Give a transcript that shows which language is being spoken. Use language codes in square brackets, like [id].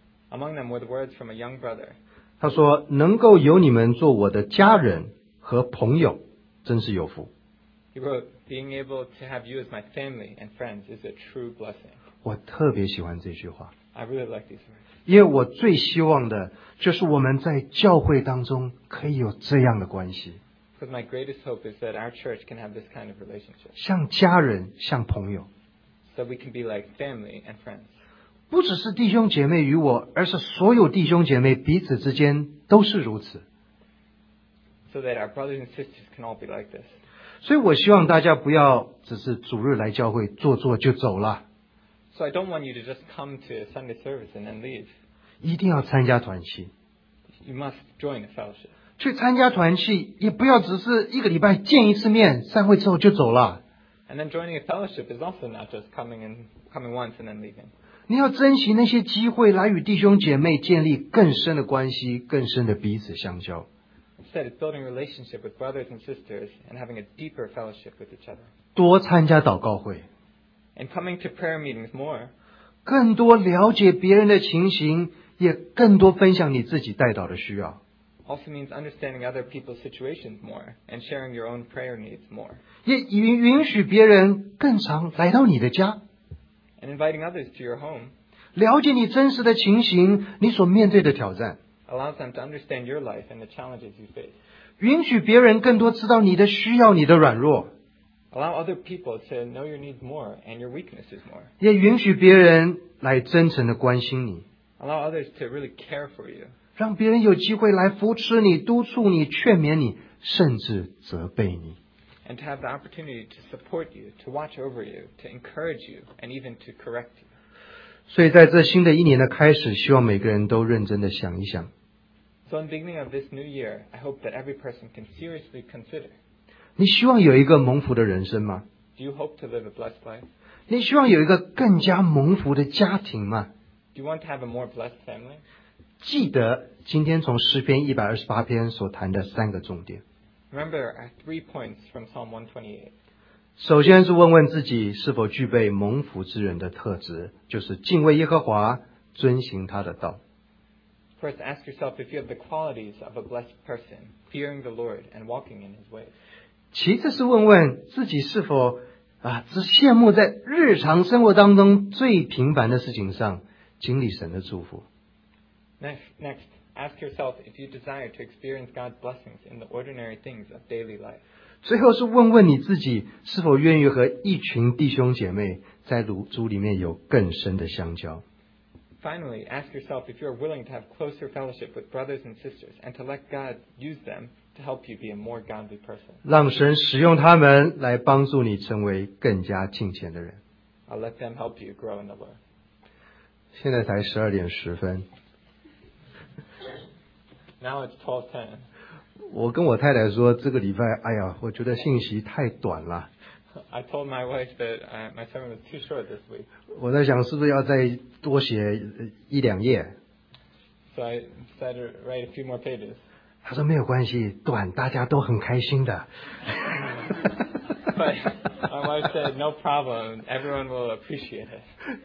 [en] Among them were the words from a young brother. [zh] 他说，能够有你们做我的家人和朋友真是有福。 [en] He wrote, "Being able to have you as my family and friends is a true blessing." [zh] 我特别喜欢这句话。 [en] I really like these words. [zh] 因为我最希望的就是我们在教会当中可以有这样的关系。 [en] Because my greatest hope is that our church can have this kind of relationship. [zh] 像家人，像朋友。 [en] So we can be like family and friends. [zh] 不只是弟兄姐妹与我，而是所有弟兄姐妹彼此之间都是如此。 [en] So that our brothers and sisters can all be like this. [zh] 所以我希望大家不要只是主日来教会坐坐就走了。 [en] So I don't want you to just come to a Sunday service and then leave. [zh] 一定要参加团契。 [en] You must join a fellowship. [zh] 去参加团契，也不要只是一个礼拜见一次面，散会之后就走了。 [en] And then joining a fellowship is also not just coming once and then leaving. [zh] 你要珍惜那些机会来与弟兄姐妹建立更深的关系，更深的彼此相交。 [en] Instead, it's building relationship with brothers and sisters and having a deeper fellowship with each other. [zh] 多参加祷告会。 [en] And coming to prayer meetings more. [zh] 更多了解别人的情形，也更多分享你自己带祷的需要。 [en] Also means understanding other people's situations more and sharing your own prayer needs more. [zh] 也允许别人更常来到你的家。 [en] And inviting others to your home. [zh] 了解你真实的情形，你所面对的挑战。 [en] Allows them to understand your life and the challenges you face. [zh] 允许别人更多知道你的需要你的软弱。 [en] Allow other people to know your needs more and your weaknesses more. [zh] 也允许别人来真诚的关心你。 [en] Allow others to really care for you. [zh] 让别人有机会来扶持你、督促你、劝勉你，甚至责备你。 [en] And to have the opportunity to support you, to watch over you, to encourage you, and even to correct you. [zh] 所以在这新的一年的开始，希望每个人都认真的想一想。 [en] So in the beginning of this new year, I hope that every person can seriously consider. [zh] 你希望有一个蒙福的人生吗？ [en] Do you hope to live a blessed life? [zh] 你希望有一个更加蒙福的家庭吗？ [en] Do you want to have a more blessed family? [zh] 记得今天从诗篇128篇所谈的三个重点。 [en] Remember our three points from Psalm 128. [zh] 首先是问问自己是否具备蒙福之人的特质，就是敬畏耶和华，遵行他的道。 [en] First, ask yourself if you have the qualities of a blessed person, fearing the Lord and walking in His ways. [zh] 其次是问问自己是否只羡慕在日常生活当中最平凡的事情上经历神的祝福。 [en] Next, ask yourself if you desire to experience God's blessings in the ordinary things of daily life. [zh] 最后是问问你自己是否愿意和一群弟兄姐妹在主里面有更深的相交。 [en] Finally, ask yourself if you are willing to have closer fellowship with brothers and sisters and to let God use them to help you be a more godly person. [zh] 让神使用他们来帮助你成为更加敬虔的人。 [en] I'll let them help you grow in the Lord. [zh] 现在才12:10。 [en] Now it's 12:10. [zh] 我跟我太太说这个礼拜我觉得信息太短了。 [en] I told my wife that my sermon was too short this week. [zh] 我在想是不是要再多写一两页。 [en] So I decided to write a few more pages. [zh] 他说没有关系，短大家都很开心的。 [en] But my wife said no problem, everyone will appreciate it.